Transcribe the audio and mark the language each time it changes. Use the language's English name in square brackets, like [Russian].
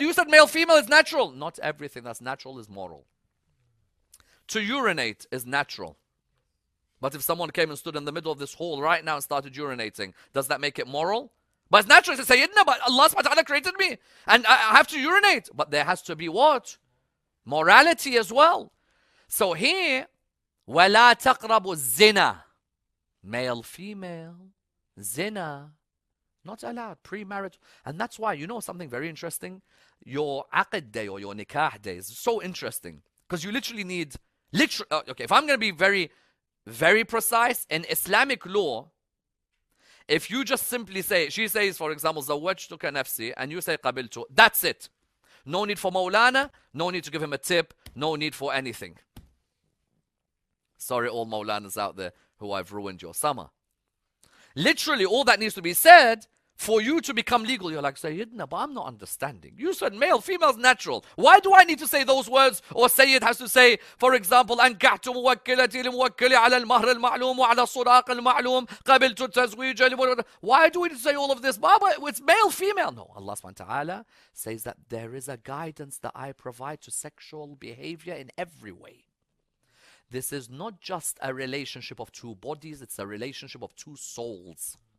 [English] You said male, female is natural. Not everything that's natural is moral. To urinate is natural. But if someone came and stood in the middle of this hall right now and started urinating, does that make it moral? But it's natural to say, Sayyidina, but Allah subhanahu wa ta'ala created me and I have to urinate. But there has to be what? Morality as well. So here, [Arabic] وَلَا تَقْرَبُوا الزِّنَا. [English] Male, female, zina, not allowed, pre-marital. And that's why, you know something very interesting? Your aqid day or your nikah day is so interesting. Because you literally need, if I'm going to be very, very precise, in Islamic law, if you just simply say, she says, for example, [Arabic] Zawajtuka nafsi, [English] and you say Qabiltu, that's it. No need for Mawlana, no need to give him a tip, no need for anything. Sorry, all Mawlanas out there who I've ruined your summer. Literally, all that needs to be said for you to become legal. You're like, Sayyidina, but I'm not understanding. You said male, female's natural. Why do I need to say those words? Or Sayyid has to say, for example, [Arabic] أَنْكَعْتُ مُوَكِّلَتِي لِمُوَكِّلِ عَلَى الْمَهْرِ الْمَعْلُومُ وَعَلَى الصُّرَاقِ الْمَعْلُومُ قَبِلْتُ التَّزْوِيجَ. [English] Why do we need to say all of this? Baba, it's male, female. No, Allah subhanahu wa ta'ala says that there is a guidance that I provide to sexual behavior in every way. This is not just a relationship of two bodies, it's a relationship of two souls.